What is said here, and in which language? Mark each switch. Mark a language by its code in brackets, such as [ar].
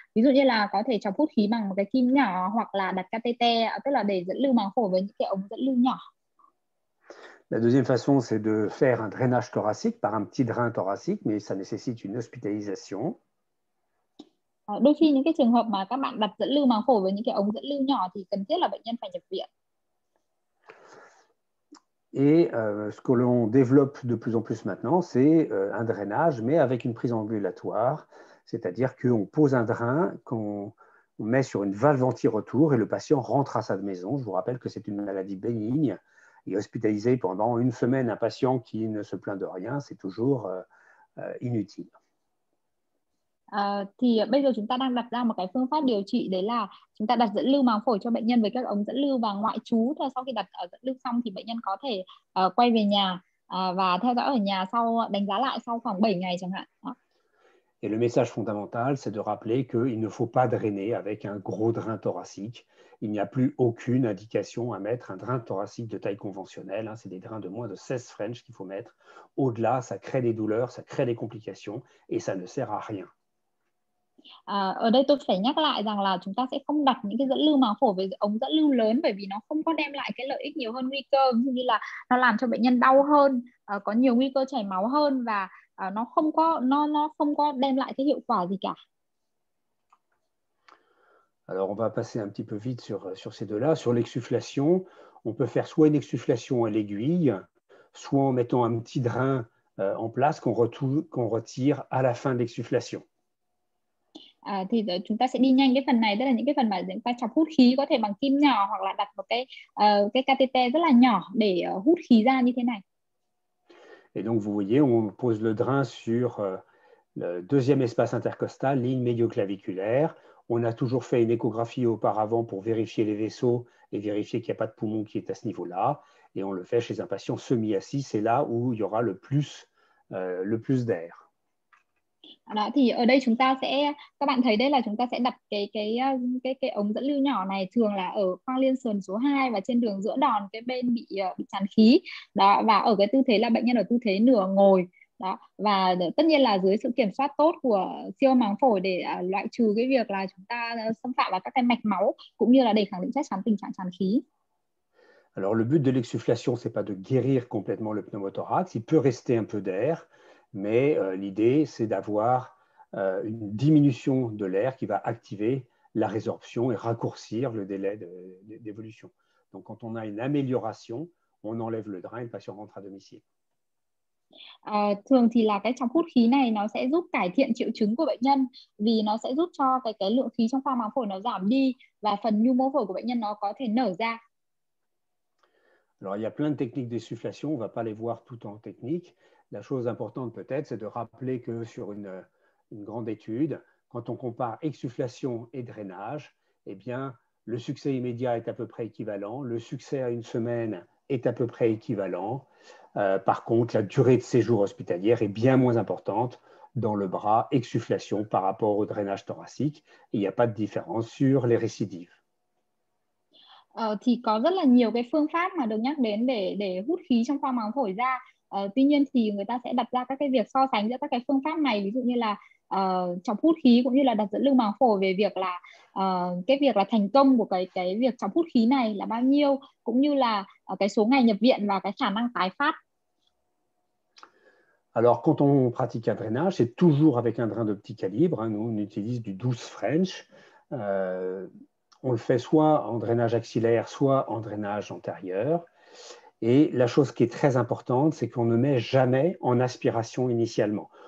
[vi] Ví dụ như là có thể chọc hút khí bằng một cái kim nhỏ, hoặc là đặt cathéter, tức là để dẫn lưu màng phổi với những cái ống dẫn lưu nhỏ. [fr] La deuxième façon, c'est de faire un drainage thoracique par un petit drain thoracique, mais ça nécessite une hospitalisation. [vi] Đôi khi những cái trường hợp mà các bạn đặt dẫn lưu màng phổi với những cái ống dẫn lưu nhỏ thì cần thiết là bệnh nhân phải nhập viện. [fr] Et ce que l'on développe de plus en plus maintenant, c'est un drainage, mais avec une prise ambulatoire, c'est-à-dire qu'on pose un drain qu'on met sur une valve anti-retour et le patient rentre à sa maison. Je vous rappelle que c'est une maladie bénigne. Et hospitaliser pendant une semaine un patient qui ne se plaint de rien, c'est toujours inutile. [vi] Thì bây giờ chúng ta đang đặt ra một cái phương pháp điều trị, đấy là chúng ta đặt dẫn lưu màng phổi cho bệnh nhân với các ống dẫn lưu và ngoại trú. Thôi, sau khi đặt dẫn lưu xong thì bệnh nhân có thể quay về nhà và theo dõi ở nhà sau đánh giá lại sau khoảng 7 ngày chẳng hạn. [fr] Et le message fondamental, c'est de rappeler qu'il ne faut pas drainer avec un gros drain thoracique. Il n'y a plus aucune indication à mettre un drain thoracique de taille conventionnelle. C'est des drains de moins de 16 French qu'il faut mettre. Au-delà, ça crée des douleurs, ça crée des complications et ça ne sert à rien. [vi] Ở đây tôi phải nhắc lại rằng là chúng ta sẽ không đặt những cái dẫn lưu màng phổi với ống dẫn lưu lớn, bởi vì nó không có đem lại cái lợi ích nhiều hơn nguy cơ, như là nó làm cho bệnh nhân đau hơn, có nhiều nguy cơ chảy máu hơn, và nó không có đem lại cái hiệu quả gì cả. [fr] Alors on va passer un petit peu vite sur ces deux-là. Sur l'exsufflation, on peut faire soit une exsufflation à l'aiguille, soit en mettant un petit drain en place qu'on retire à la fin de l'exsufflation. [vi] Thì chúng ta sẽ đi nhanh cái phần này, tức là những cái phần mà chúng ta chọc hút khí có thể bằng kim nhỏ hoặc là đặt một cái cathete rất là nhỏ để hút khí ra như thế này. [fr] Et donc vous voyez, on pose le drain sur le deuxième espace intercostal, ligne médioclaviculaire. On a toujours fait une échographie auparavant pour vérifier les vaisseaux et vérifier qu'il n'y a pas de poumon qui est à ce niveau-là. Et on le fait chez un patient semi-assis, c'est là où il y aura le plus d'air. [vi] Đó, thì ở đây chúng ta sẽ, các bạn thấy đây là chúng ta sẽ đặt cái ống dẫn lưu nhỏ này thường là ở khoang liên sườn số 2 và trên đường giữa đòn cái bên bị tràn khí. Đó, và ở cái tư thế là bệnh nhân ở tư thế nửa ngồi. Đó, và tất nhiên là dưới sự kiểm soát tốt của siêu âm máng phổi để loại trừ cái việc là chúng ta xâm phạm vào các cái mạch máu cũng như là để khẳng định chắc chắn tình trạng tràn khí. [fr] Alors le but de l'exsufflation, c'est pas de guérir complètement le pneumothorax, il peut rester un peu d'air, mais l'idée c'est d'avoir une diminution de l'air qui va activer la résorption et raccourcir le délai d'évolution. Donc quand on a une amélioration, on enlève le drain et le patient rentre à domicile. [vi] Thường thì là cái trong hút khí này nó sẽ giúp cải thiện triệu chứng của bệnh nhân vì nó sẽ giúp cho cái lượng khí trong khoang máng phổi nó giảm đi và phần nhu mô phổi của bệnh nhân nó có thể nở ra. [fr] Alors il y a plein de techniques d'essufflation, on ne va pas les voir tout en technique. La chose importante peut-être, c'est de rappeler que sur une grande étude, quand on compare exsufflation et drainage, eh bien, le succès immédiat est à peu près équivalent, le succès à une semaine est à peu près équivalent. Par contre, la durée de séjour hospitalière est bien moins importante dans le bras exsufflation par rapport au drainage thoracique. Il n'y a pas de différence sur les récidives. [vi] Thì có rất là nhiều cái phương pháp mà được nhắc đến để hút khí trong khoang máng phổi ra. Tuy nhiên thì người ta sẽ đặt ra các cái việc so sánh giữa các cái phương pháp này, ví dụ như là chọc hút khí cũng như là đặt dẫn lưu máng phổi về việc là cái việc là thành công của cái việc chọc hút khí này là bao nhiêu, cũng như là cái số ngày nhập viện và cái khả năng tái phát. [fr] Alors quand on pratique un drainage, c'est toujours avec un drain de petit calibre, hein, nous on utilise du 12 French. On le fait soit en drainage axillaire, soit en drainage antérieur. Et la chose qui est très importante, c'est qu'on ne met jamais en aspiration initialement.